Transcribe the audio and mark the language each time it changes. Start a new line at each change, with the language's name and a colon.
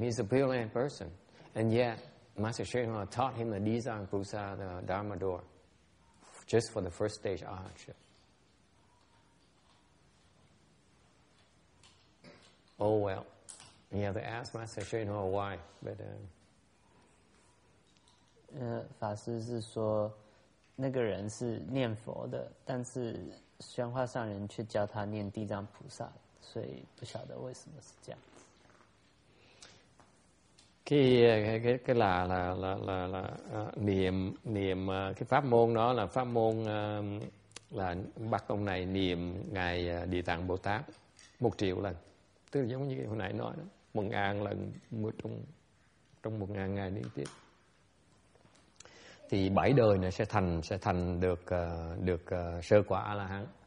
English: He's a Pure Land person, and yet Master Shenhua taught him the Di Zang Pusa, the Dharma door, just for the first stage Arhatship. Oh well. You have to ask Master Shenhua why, but.
Chinese: 法师是说，那个人是念佛的，但是玄化上人却教他念地藏菩萨，所以不晓得为什么是这样子。
Vietnamese: Cái là niệm cái pháp môn đó là pháp môn là bắt ông này niệm ngài Địa Tạng Bồ Tát 1 triệu lần, tức là giống như hồi nãy nói đó. 1000 lần mới trong 1000 ngày liên tiếp thì 7 đời này sẽ thành được sơ quả A La Hán.